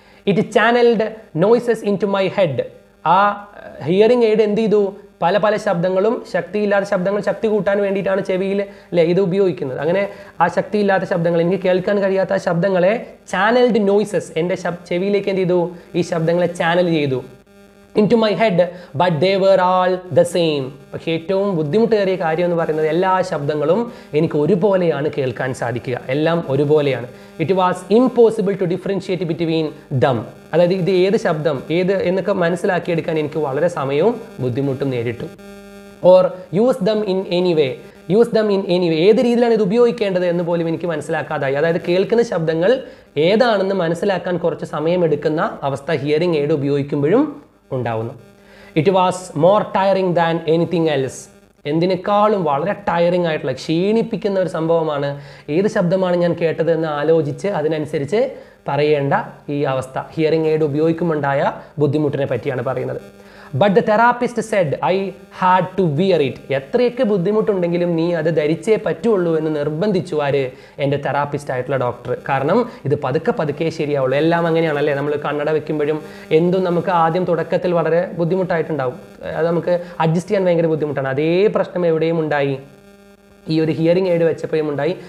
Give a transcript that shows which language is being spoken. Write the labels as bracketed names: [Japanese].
[English] it channelled noises into my head, [Malayalam] ആ hearing aid എന്ത് ചെയ്തു, പല പല ശബ്ദങ്ങളും, ശക്തിയില്ലാത്ത ശബ്ദങ്ങൾ ശക്തി കൂട്ടാൻ വേണ്ടിയിട്ടാണ് ചെവിയിൽ അല്ലേ ഇത് ഉപയോഗിക്കുന്നത്. അങ്ങനെ ആ ശക്തിയില്ലാത്ത ശബ്ദങ്ങൾ, എനിക്ക് കേൾക്കാൻ കഴിയാത്ത ശബ്ദങ്ങളെ ചാനൽഡ് നോയ്സസ്, എൻ്റെ ചെവിയിലേക്ക് എന്ത് ചെയ്തു, ഈ ശബ്ദങ്ങളെ ചാനൽ ചെയ്തു. [English] into my head, but they were all the same. [Malayalam] ഏറ്റവും ബുദ്ധിമുട്ടേറിയ കാര്യം എന്ന് പറയുന്നത് എല്ലാ ശബ്ദങ്ങളും എനിക്ക് ഒരുപോലെയാണ് കേൾക്കാൻ സാധിക്കുക. എല്ലാം ഒരുപോലെയാണ്. [English] It was impossible to differentiate between them. [Malayalam] അതായത് ഇത് ഏത് ശബ്ദം ഏത് എന്നൊക്കെ മനസ്സിലാക്കിയെടുക്കാൻ എനിക്ക് വളരെ സമയവും ബുദ്ധിമുട്ടും നേരിട്ടു. [English] or use them in any way, use them in any way, [Malayalam] ഏത് രീതിയിലാണ് ഇത് ഉപയോഗിക്കേണ്ടത് എന്ന് പോലും എനിക്ക് മനസ്സിലാക്കാതായി. അതായത് കേൾക്കുന്ന ശബ്ദങ്ങൾ ഏതാണെന്ന് മനസ്സിലാക്കാൻ കുറച്ച് സമയമെടുക്കുന്ന അവസ്ഥ ഹിയറിംഗ് എയ്ഡ് ഉപയോഗിക്കുമ്പോഴും ഉണ്ടാവുന്നു. [English] It was more tiring than anything else. [Malayalam] എന്തിനേക്കാളും വളരെ ടയറിംഗ് ആയിട്ടുള്ള ക്ഷീണിപ്പിക്കുന്ന ഒരു സംഭവമാണ് ഏത് ശബ്ദമാണ് ഞാൻ കേട്ടത് എന്ന് ആലോചിച്ച് അതിനനുസരിച്ച് പറയേണ്ട ഈ അവസ്ഥ ഹിയറിംഗ് എയ്ഡ് ഉപയോഗിക്കുമ്പോണ്ടായ ബുദ്ധിമുട്ടിനെ പറ്റിയാണ് പറയുന്നത്. [English] But the therapist said, I had to wear it. [Malayalam] എത്രയൊക്കെ ബുദ്ധിമുട്ടുണ്ടെങ്കിലും നീ അത് ധരിച്ചേ പറ്റുള്ളൂ എന്ന് നിർബന്ധിച്ചു ആര്? എൻ്റെ തെറാപ്പിസ്റ്റ് ആയിട്ടുള്ള ഡോക്ടർ. കാരണം ഇത് പതുക്കെ പതുക്കെ ശരിയാവുള്ളൂ. എല്ലാം അങ്ങനെയാണല്ലേ, നമ്മൾ കണ്ണട വെക്കുമ്പോഴും എന്തും നമുക്ക് ആദ്യം തുടക്കത്തിൽ വളരെ ബുദ്ധിമുട്ടായിട്ടുണ്ടാവും, അത് നമുക്ക് അഡ്ജസ്റ്റ് ചെയ്യാൻ ഭയങ്കര ബുദ്ധിമുട്ടാണ്. അതേ പ്രശ്നം എവിടെയും ഉണ്ടായി, ഈ ഒരു ഹിയറിംഗ് എയ്ഡ് വെച്ചപ്പോഴും ഉണ്ടായി.